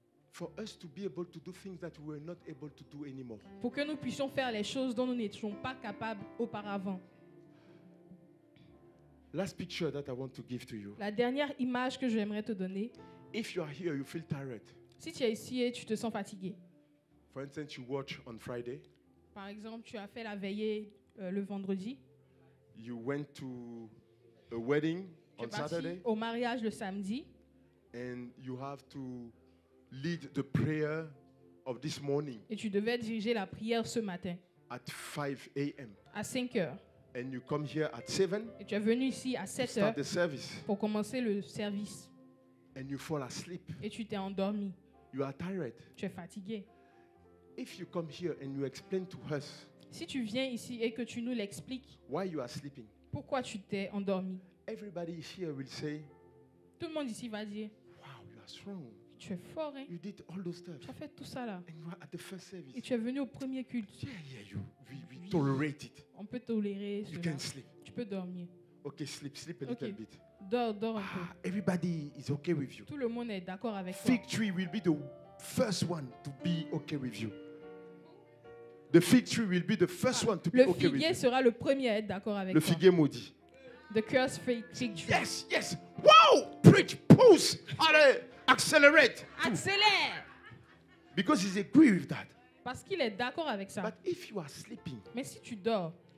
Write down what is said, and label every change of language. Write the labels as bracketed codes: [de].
[en] for us to be able to do things that we were not able to do anymore. [fr] Pour que nous puissions faire les choses dont nous n'étions pas capables auparavant. [en] Last picture that I want to give to you. [fr] La dernière image que j'aimerais te donner. [en] If you are here, you feel tired. [fr] Si tu es ici et tu te sens fatigué. [en] For instance, you watch on Friday. [fr] Par exemple, tu as fait la veillée le vendredi. [en] You went to a wedding [fr] tu [en] on Saturday. [fr] Au mariage le samedi. [en] And you have to lead the prayer of this morning. [fr] Et tu devais diriger la prière ce matin. [en] At 5 a.m. [fr] À 5 heures. [en] And you come here at 7. [fr] Et tu es venu ici à 7 heures. [en] Start the service. [fr] Pour commencer le service. [en] And you fall asleep. [fr] Et tu t'es endormi. [en] You are tired. [fr] Tu es fatigué. [en] If you come here and you explain to us. [fr] Si tu viens ici et que tu nous l'expliques. [en] Why you are sleeping? [fr] Pourquoi tu t'es endormi? [en] Everybody here will say. [fr] Tout le monde ici va dire. [en] Wow, you are strong. [fr] Tu es fort, hein? [en] You did all those stuff. [fr] Tu as fait tout ça là. [en] And you are at the first service. [fr] Et tu es venu au premier culte. [en] Yeah, you. We tolerate it. [fr] On peut tolérer. [en] You can sleep. [fr] Tu peux dormir. [en] Okay, sleep a little bit. [fr] Dors un peu. [en] Everybody is okay with you. [fr] Tout le monde est d'accord avec toi. [en] Fig tree will be the first one to be okay with you. The fig tree will be the first one to be okay with you. [fr] Le figuier sera le premier à être d'accord avec toi. Le figuier maudit. [en] The cursed fig tree. Yes, yes. Wow! Preach, pause. Allez, accelerate. [fr] Accélère. [en] Because he's agree with that. [fr] Parce qu'il est d'accord avec ça. [en] But if you are sleeping. [fr] Mais si tu dors.